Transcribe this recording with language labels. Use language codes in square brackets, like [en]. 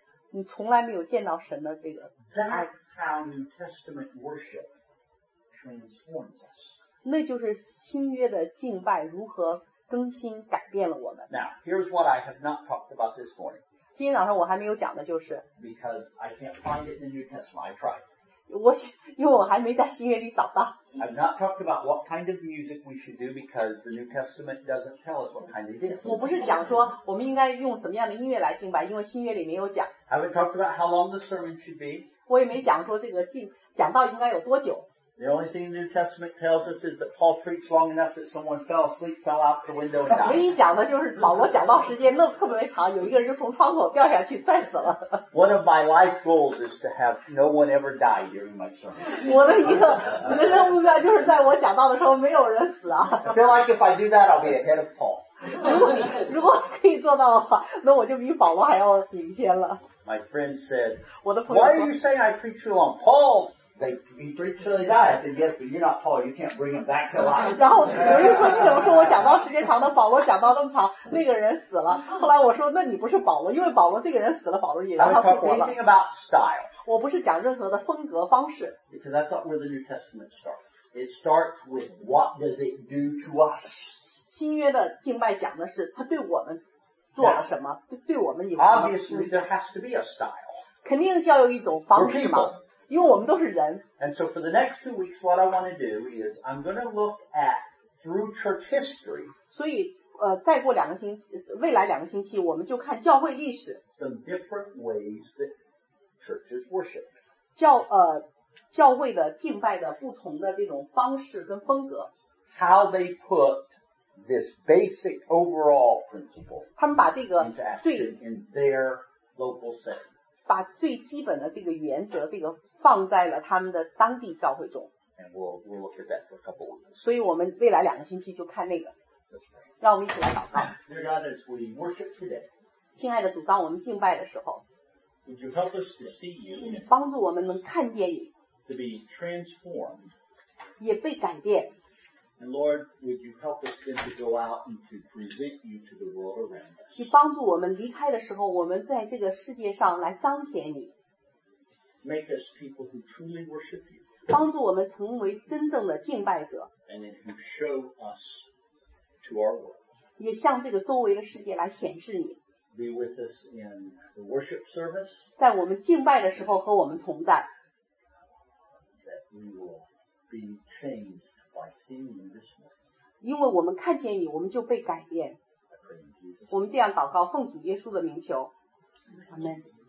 [zh] 你从来没有见到神的这个 [en] that's how New Testament worship transforms us [zh] 那就是新约的敬拜如何更新改变了我们 [en] now here's what I have not talked about this morning [zh] 今天早上我还没有讲的就是 [en] because I can't find it in the New Testament I tried [zh] 因为我还没在新约里找到。 [en] I've not talked about what kind of music we should do because the New Testament doesn't tell us what kind it is. [zh] 我不是讲说我们应该用什么样的音乐来敬拜，因为新约里没有讲。 [en] I haven't talked about how long the sermon should be. [zh] 我也没讲说这个讲道应该有多久。 [en] The only thing the New Testament tells us is that Paul preached long enough that someone fell asleep, fell out the window and died. [zh] 唯一讲的就是保罗讲道时间那特别长，有一个人从窗口掉下去摔死了。 [en] One of my life goals is to have no one ever die during my sermon. [zh] 我的一个人生目标就是在我讲道的时候没有人死啊。 [en] I feel like if I do that, I'll be ahead of Paul. [zh] 如果可以做到的话，那我就比保罗还要领先了。 [en] My friend said, [zh] 我的朋友 [en] Why are you saying I preach too long, Paul? They preach till they die. I said, yes, but you're not Paul. You can't bring them back to life. [zh] 然后有人说你怎么说我讲道时间长的保罗讲道那么长那个人死了。后来我说那你不是保罗因为保罗这个人死了保罗也让他复活了。 [en] Anything about style. [zh] 我不是讲任何的风格方式。 [en] Because that's not where the New Testament starts. It starts with what does it do to us. [zh] 新约的敬拜讲的是他对我们做了什么 对我们以后。 [en] Obviously there has to be a style. [zh] 肯定是要有一种方式嘛。因为我们都是人。 [en] And so for the next 2 weeks, what I want to do is I'm going to look at through church history. [zh] 所以再过两个星期未来两个星期我们就看教会历史。 [en] Some different ways that churches worship. [zh] 教会的敬拜的不同的这种方式跟风格。 [en] How they put this basic overall principle. [zh] 他们把这个 [en] into action in their local setting. [zh] 把最基本的这个原则这个放在了他们的当地教会中。 [en] And we'll look at that for a couple of weeks. [zh] 所以我们未来两个星期就看那个。让我们一起来祷告。 [en] Dear God, as we worship today, [zh] 亲爱的主，当我们敬拜的时候， [en] Would you help us to see you? [zh] 帮助我们能看见你。 [en] To be transformed, [zh] 也被改变。 [en] And Lord, would you help us then to go out and to present you to the world around us? [zh] 去帮助我们离开的时候，我们在这个世界上来彰显你。 [en] Make us people who truly worship you. [zh] 帮助我们成为真正的敬拜者。 [en] And then who show us. To our world. [zh] 也向这个周围的世界来显示你。 [en] Be with us in the worship service. [zh] 在我们敬拜的时候和我们同在。 [en] That we will be changed by seeing you this morning. [zh] 因为我们看见你，我们就被改变。 [en] I pray in Jesus. [zh] 我们这样祷告，奉主耶稣的名求。阿门。